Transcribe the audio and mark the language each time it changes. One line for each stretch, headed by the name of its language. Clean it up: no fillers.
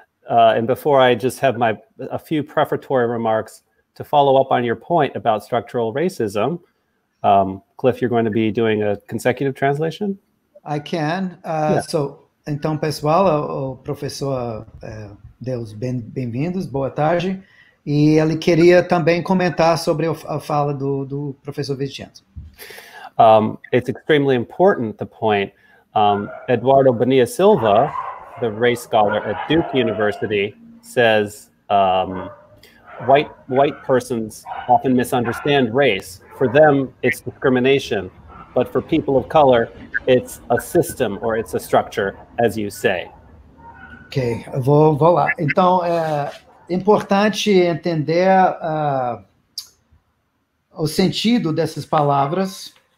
English: And before I just have a few prefatory remarks to follow up on your point about structural racism, Cliff, you're going to be doing a consecutive translation? I can. Yeah.
Portuguese: Então, pessoal, o professor, Deus, bem-vindos, boa tarde. E ele queria também comentar sobre a fala do, do professor Vicenzo.
English: It's extremely important, the point. Eduardo Bonilla Silva, the race scholar at Duke University, says white persons often misunderstand race. For them, it's discrimination. But for people of color, it's a system or it's a structure, as you say.
Portuguese: Ok, vou lá. Então, é importante entender o sentido dessas palavras.